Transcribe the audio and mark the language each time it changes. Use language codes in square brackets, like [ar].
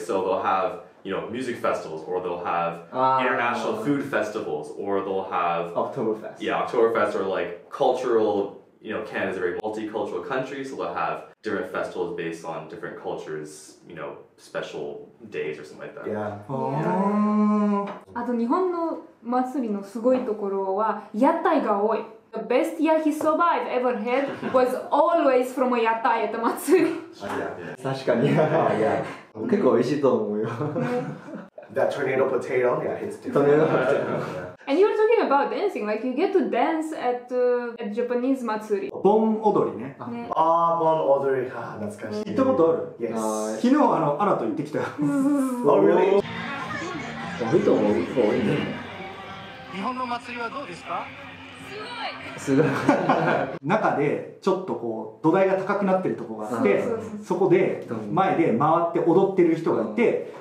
[en] So they'll have, you know, music festivals, or they'll have international food festivals, or they'll have Oktoberfest. Yeah, Oktoberfest, or like cultural, you know, Canada's a very multicultural country, so they'll have different festivals based on different cultures, you know, special days or something like that. Yeah. [ja] あと日本の祭のすごいところは屋台が多い。 [en] The best yakisoba I've ever had was always from a 屋台 at the 祭り。 [ja] 確かに。結構美味しいと思うよ。 [en] That tornado potato, yeah, it's different. And you were talking about dancing, like you get to dance at Japanese matsuri. [ja] Bon odori, ne? Ah, bon odori, ha, 懐かしい。行ったことある？ [en] Yes. [ja] 昨日あのアナと行ってきた [en] よ。Oh, really? [ja] 見たもん、すごいね。日本の祭りはどうですか？すごい。中でちょっとこう土台が高くなってるところがあって、そこで前で回って踊ってる人がいて。